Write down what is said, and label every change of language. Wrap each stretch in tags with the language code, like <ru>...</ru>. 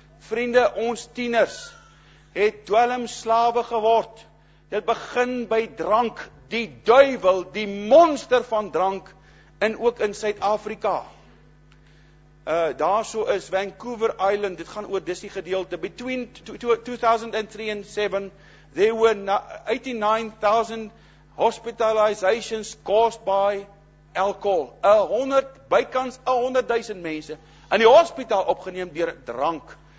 <af>Vriende, ons tieners het dwelmslawe geword. Dit begin by drank, die duiwel, die monster van drank, en ook in Suid-Afrika. Daarso is Vancouver Island, dit gaan oor disie gedeelte,</af> <en>between 2003 and 7, there were 89,000 hospitalizations caused by alcohol.</en> <af>100,000 mense in die hospitaal opgeneem deur drank.</af>